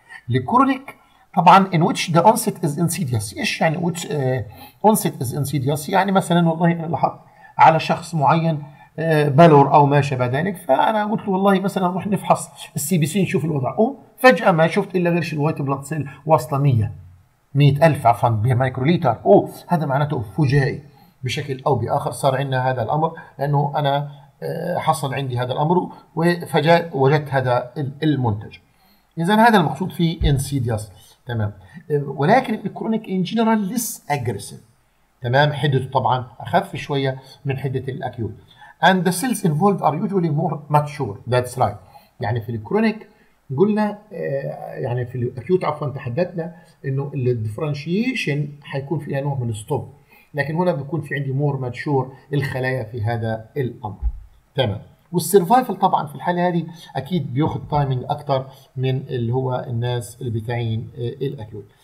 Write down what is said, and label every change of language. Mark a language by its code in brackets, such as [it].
[ar] الكرونيك طبعا [en] in which the onset is insidious. [ar] ايش يعني [en] which onset is insidious؟ [ar] يعني مثلا والله انا لاحظت على شخص معين بلور او ما شابه ذلك، فانا قلت له والله مثلا نروح نفحص السي بي سي نشوف الوضع، فجاه ما شفت الا غير الوايت بلاد سيل واصله 100,000 عفوا بميكروليتر. هذا معناته فجائي بشكل او باخر صار عندنا هذا الامر، لانه انا حصل عندي هذا الامر وفجاه وجدت هذا المنتج. إذن هذا المقصود في insidious. تمام ولكن الكرونيك [en] in general less aggressive. [ar] تمام حدته طبعا أخف شوية من حدة الأكيوت. [en] And the cells involved are usually more mature. That's right. [ar] يعني في الكرونيك قلنا يعني في الأكيوت عفوا تحدثنا أنه الديفرنشيشن حيكون فيها نوع من الستوب، لكن هنا بيكون في عندي [en] more mature [ar] الخلايا في هذا الأمر. تمام والسيرفايفل طبعا في الحاله هذه اكيد بياخد تايمينج اكتر من اللي هو الناس اللي بتاعين الاكيوت.